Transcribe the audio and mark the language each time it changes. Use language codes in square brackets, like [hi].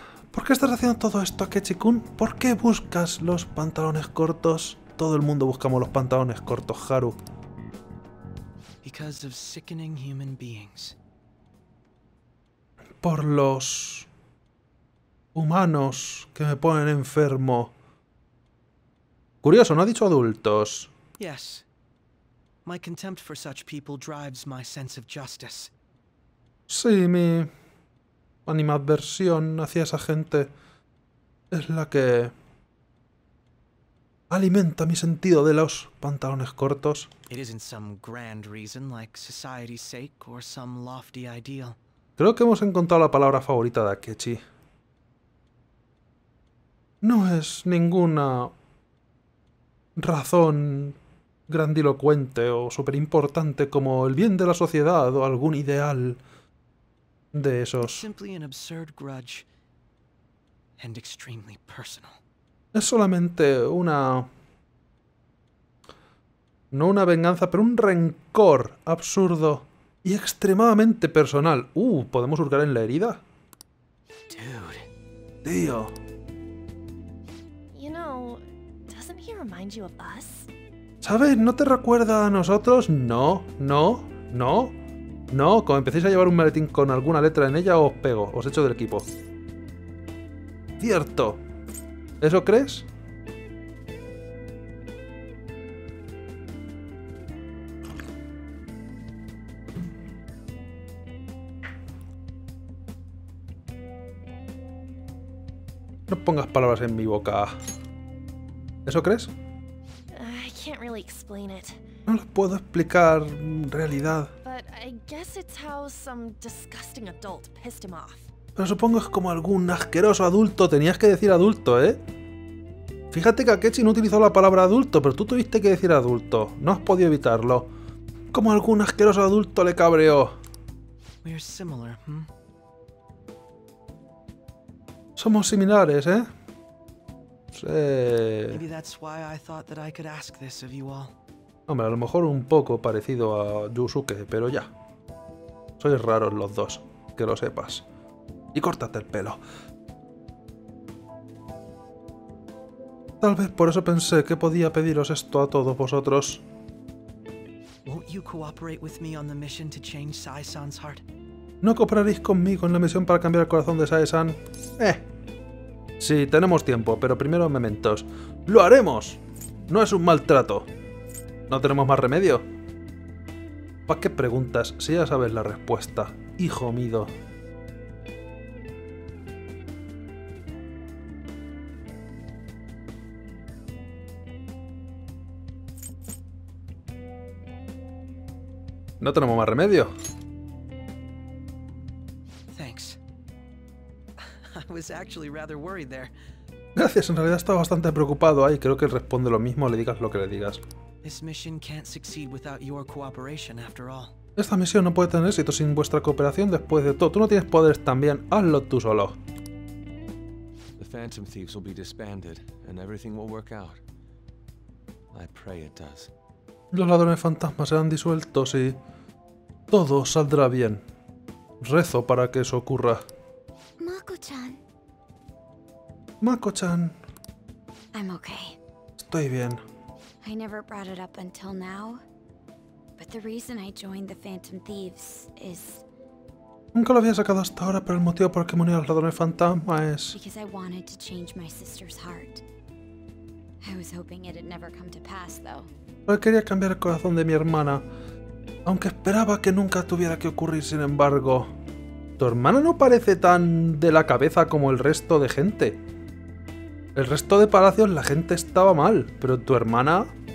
[es] ¿Por qué estás haciendo todo esto, Akechi-kun? ¿Por qué buscas los pantalones cortos? Todo el mundo buscamos los pantalones cortos, Haru. [en] Because of sickening human beings. [es] Por los humanos que me ponen enfermo. Curioso, no ha dicho adultos. [en] Yes. My contempt for such people drives my sense of justice. [es] Sí, mi animadversión hacia esa gente es la que alimenta mi sentido de los pantalones cortos. [en] It isn't some grand reason, like society's sake or some lofty ideal. [es] Creo que hemos encontrado la palabra favorita de Akechi. No es ninguna razón grandilocuente o súper importante como el bien de la sociedad o algún ideal de esos. [en] It's simply an absurd grudge and extremely personal. [es] Es solamente una, no una venganza, pero un rencor absurdo y extremadamente personal. ¿Podemos hurgar en la herida? [en] Dude. [es] Tío. [en] You know, doesn't he remind you of us? [es] ¿Sabes? ¿No te recuerda a nosotros? No, no, no, no. Cuando empecéis a llevar un maletín con alguna letra en ella, os pego, os echo del equipo. Cierto. ¿Eso crees? No pongas palabras en mi boca. ¿Eso crees? [en] I can't really explain it. [es] No lo puedo explicar en realidad. [en] But I guess it's how some disgusting adult pissed him off. [es] Pero supongo que es como algún asqueroso adulto. Tenías que decir adulto, ¿eh? Fíjate que Akechi no utilizó la palabra adulto, pero tú tuviste que decir adulto. No has podido evitarlo. Como algún asqueroso adulto le cabreó. [en] We're similar, ¿eh? [es] Somos similares, ¿eh? Sí. [en] Maybe that's why I thought that I could ask this of you all. [es] Hombre, a lo mejor un poco parecido a Yusuke, pero ya. Sois raros los dos, que lo sepas. Y córtate el pelo. Tal vez por eso pensé que podía pediros esto a todos vosotros. [en] Won't you cooperate with me on the mission to change Sai-san's heart? [es] ¿No cooperaréis conmigo en la misión para cambiar el corazón de Sai-san? Sí, tenemos tiempo, pero primero mementos. ¡Lo haremos! No es un maltrato. ¿No tenemos más remedio? ¿Para qué preguntas si ya sabes la respuesta, hijo mío? No tenemos más remedio. [en] Thanks. I was actually rather worried there. [es] Gracias, en realidad estaba bastante preocupado ahí. Creo que él responde lo mismo, le digas lo que le digas. [en] This mission can't succeed without your cooperation, after all. [es] Esta misión no puede tener éxito sin vuestra cooperación después de todo. Tú no tienes poderes también, hazlo tú solo. [en] The Phantom Thieves will be disbanded and everything will work out. I pray it does. [es] Los ladrones fantasmas serán disueltos y todo saldrá bien. Rezo para que eso ocurra. Mako-chan. Mako-chan. [en] I'm okay. [es] Estoy bien. [en] I never brought it up until now, but the reason I joined the Phantom Thieves is... [es] Nunca lo había sacado hasta ahora, pero el motivo por el que me uní a los ladrones fantasmas es... Because I wanted to change my sister's heart. I was hoping it had never come to pass, though. Porque quería cambiar el corazón de mi hermana, aunque esperaba que nunca tuviera que ocurrir. Sin embargo, tu hermana no parece tan de la cabeza como el resto de gente. El resto de palacios la gente estaba mal, pero tu hermana...